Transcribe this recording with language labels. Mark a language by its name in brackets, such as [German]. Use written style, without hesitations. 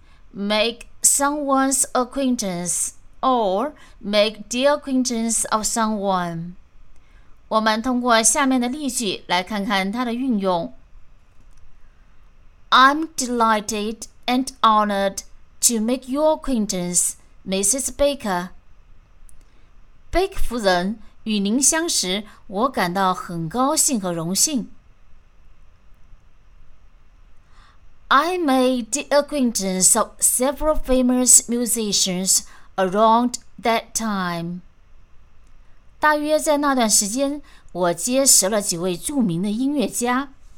[English] Make someone's acquaintance or make the acquaintance of someone. [Chinese] 我们通过下面的例句来看看它的运用。 [English] I'm delighted and honored to make your acquaintance, Mrs. [Chinese] Baker. Baker 夫人，与您相识，我感到很高兴和荣幸。 [English] I made the acquaintance of several famous musicians around that time. [Chinese] 大约在那段时间，我结识了几位著名的音乐家。